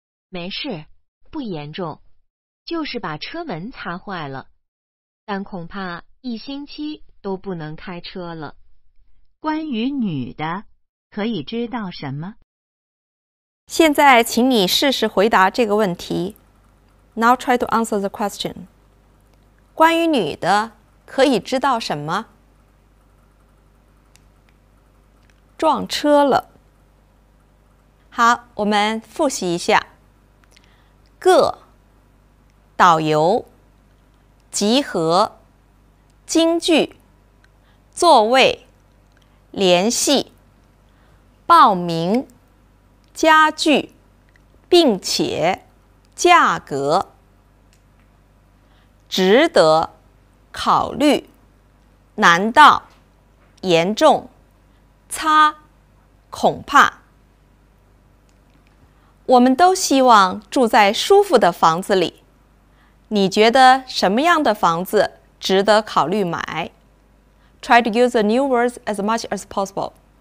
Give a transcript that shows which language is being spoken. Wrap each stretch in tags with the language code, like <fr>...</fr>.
<zh>没事，不严重，就是把车门擦坏了，但恐怕一星期都不能开车了。关于女的可以知道什么？现在请你试试回答这个问题。</zh> <en>Now try to answer the question.</en> <zh>关于女的可以知道什么？撞车了。好，我们复习一下。个，导游，集合，京剧，座位，联系，报名，家具，并且，价格。值得考虑，难道，严重，擦，恐怕。我们都希望住在舒服的房子里，你觉得什么样的房子值得考虑买？</zh> <en>Try to use the new words as much as possible.</en>